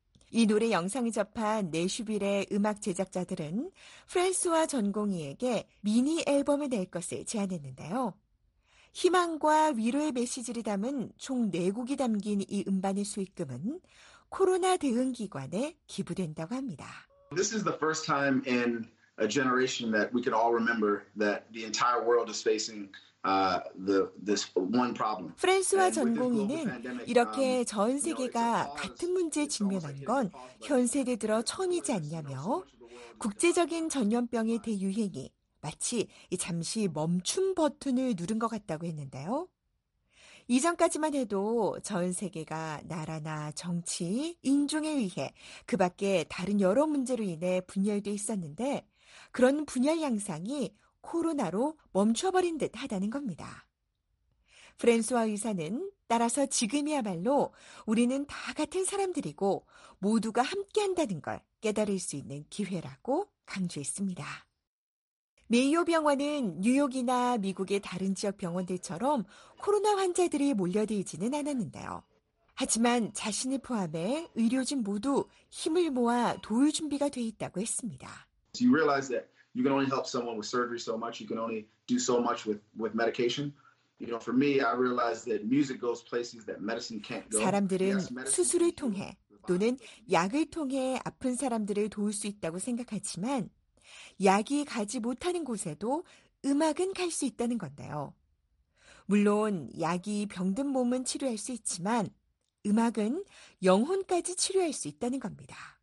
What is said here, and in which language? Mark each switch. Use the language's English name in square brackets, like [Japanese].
[Korean] 이 노래 영상을 접한 내슈빌의 음악 제작자들은 프랜스와 전공의에게 미니 앨범을 낼 것을 제안했는데요. 희망과 위로의 메시지를 담은 총 4곡이 담긴 이 음반의 수익금은 코로나 대응 기관에 기부된다고 합니다. [English] This is the first time in a generation that we could all remember that the entire world is facing this one problem. [Korean] 프랜스와 전공의는 이렇게 전 세계가 같은 문제에 직면한 건 현 세대 들어 처음이지 않냐며 국제적인 전염병의 대유행이 마치 잠시 멈춤 버튼을 누른 것 같다고 했는데요. 이전까지만 해도 전 세계가 나라나 정치, 인종에 의해 그 밖에 다른 여러 문제로 인해 분열돼 있었는데 그런 분열 양상이 코로나로 멈춰버린 듯 하다는 겁니다. 프랜수아 의사는 따라서 지금이야말로 우리는 다 같은 사람들이고 모두가 함께한다는 걸 깨달을 수 있는 기회라고 강조했습니다. 메이오 병원은 뉴욕이나 미국의 다른 지역 병원들처럼 코로나 환자들이 몰려들지는 않았는데요. 하지만 자신을 포함해 의료진 모두 힘을 모아 도울 준비가 돼 있다고 했습니다. [English] You realize that you can only help someone with surgery so much. You can only do so much with medication. You know, for me, I realized that music goes places that medicine can't go. [Korean] 사람들은 수술을 통해 또는 약을 통해 아픈 사람들을 도울 수 있다고 생각하지만 약이 가지 못하는 곳에도 음악은 갈 수 있다는 건데요. 물론 약이 병든 몸은 치료할 수 있지만 음악은 영혼까지 치료할 수 있다는 겁니다.